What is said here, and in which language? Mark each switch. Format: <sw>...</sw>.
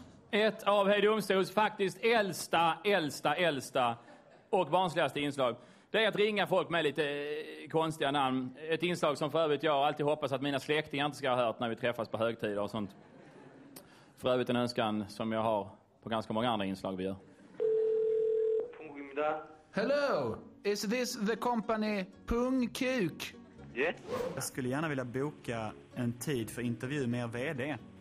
<sv>Ett av Hej Domstols faktiskt äldsta och barnsligaste inslag, det är att ringa folk med lite konstiga namn. Ett inslag som för övrigt jag alltid hoppas att mina släktingar inte ska ha hört när vi träffas på högtider och sånt. För övrigt en önskan som jag har på ganska många andra inslag vi gör.</sv> <en>Hello, is this the company Pung Kuk? Yes.</en> <sv>Jag skulle gärna vilja boka en tid för intervju med er vd.</sv>